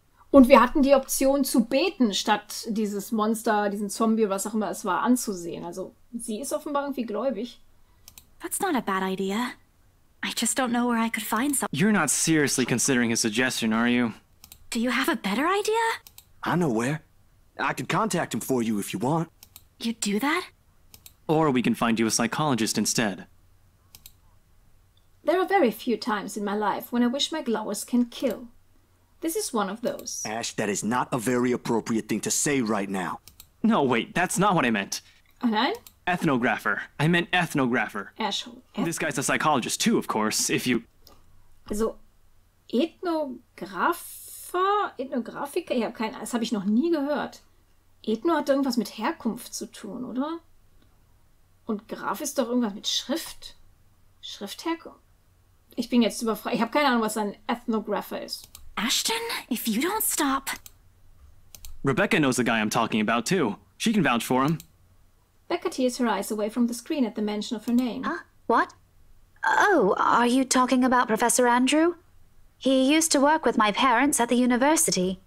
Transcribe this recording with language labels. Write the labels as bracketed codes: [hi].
[de] Und wir hatten die Option zu beten, statt dieses Monster, diesen Zombie, was auch immer es war, anzusehen. Also, sie ist offenbar irgendwie gläubig. [en] That's not a bad idea. I just don't know where I could find some- You're not seriously considering his suggestion, are you? Do you have a better idea? I know where. I could contact him for you if you want. You'd do that? Or we can find you a psychologist instead. There are very few times in my life when I wish my glowers can kill. This is one of those. Ash, that is not a very appropriate thing to say right now. No, wait, that's not what I meant. Anand? Ethnographer. I meant ethnographer. Ash, this guy's a psychologist too, of course, if you... [de] Also, Ethnographer? Ethnographiker? Ich hab kein, das habe ich noch nie gehört. Ethno hat irgendwas mit Herkunft zu tun, oder? Und Graph ist doch irgendwas mit Schrift? Schriftherkunft? Ich bin jetzt überfragt. Ich habe keine Ahnung, was ein Ethnographer ist. [en] Ashton, if you don't stop... Rebecca knows the guy I'm talking about, too. She can vouch for him. Becca tears her eyes away from the screen at the mention of her name. Huh? What? Oh, are you talking about Professor Andrew? He used to work with my parents at the university.